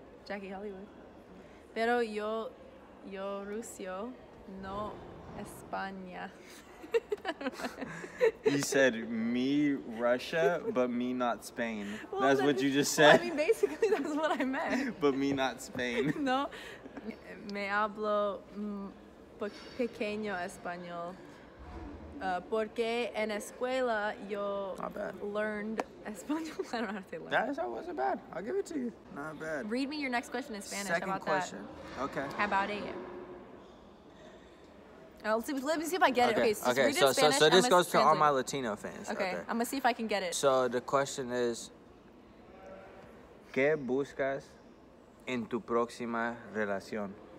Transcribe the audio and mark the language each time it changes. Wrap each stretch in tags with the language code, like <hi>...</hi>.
<es>Jackie Hollywood. Pero yo ruso, no España.</es> <en>You said me Russia, but me not Spain. Well, that's what you just said. Well, I mean, basically, that's what I meant. But me not Spain.</en> <es>No, me hablo pequeño español. Porque en escuela yo</es> <en>learned</en> <es>español.</es> <en>I don't know how to say learn. That wasn't bad. I'll give it to you. Not bad. Read me your next question in Spanish. Second about question. That. Okay. How about it? Let me see if I get it. Okay, okay so read it so this goes translate. To all my Latino fans. Okay. Okay, I'm gonna see if I can get it. So the question is,</en> <es>¿qué buscas en tu próxima relación?</es>